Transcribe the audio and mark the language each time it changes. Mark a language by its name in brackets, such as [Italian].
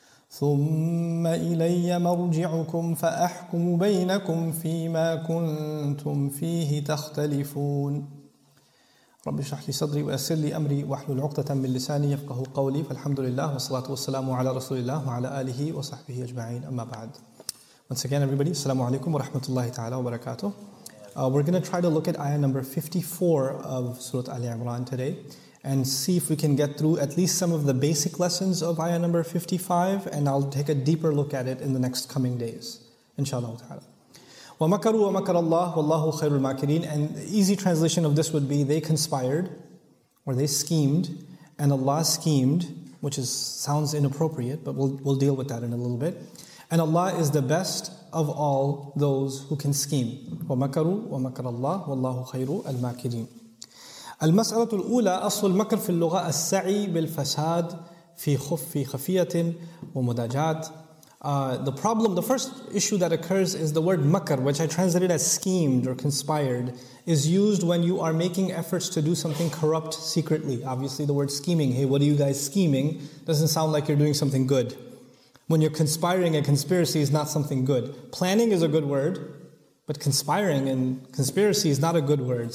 [Arabic] ثم إلي مرجعكم فأحكم بينكم فيما كنتم فيه تختلفون رب اشرح لي صدري ويسر لي امري واحلل عقدة من لساني يفقهوا قولي فالحمد لله والصلاة والسلام على رسول الله وعلى اله وصحبه اجمعين اما بعد. [English] Once again everybody, assalamu alaikum wa rahmatullahi ta'ala wa barakatuh. We're going to try to look at ayah number 54 of Surah Ali Imran today and see if we can get through at least some of the basic lessons of ayah number 55, and I'll take a deeper look at it in the next coming days inshallah ta'ala. [Arabic] وَمَكَرُوا وَمَكَرَ اللَّهُ وَاللَّهُ خَيْرُ الْمَاكِرِينَ. [English] And the easy translation of this would be, they conspired, or they schemed, and Allah schemed, which is sounds inappropriate, but we'll deal with that in a little bit. And Allah is the best of all those who can scheme. [Arabic] وَمَكَرُوا وَمَكَرَ اللَّهُ وَاللَّهُ خَيْرُ الْمَاكِرِينَ. المسألة الأولى أصل المكر في اللغة السعي بالفساد في خفي خفية ومداجات. [English] The first issue that occurs is the word makar, which I translated as schemed or conspired, is used when you are making efforts to do something corrupt secretly. Obviously the word scheming, hey, what are you guys scheming, doesn't sound like you're doing something good. When you're conspiring, a conspiracy is not something good. Planning is a good word, but conspiring and conspiracy is not a good word.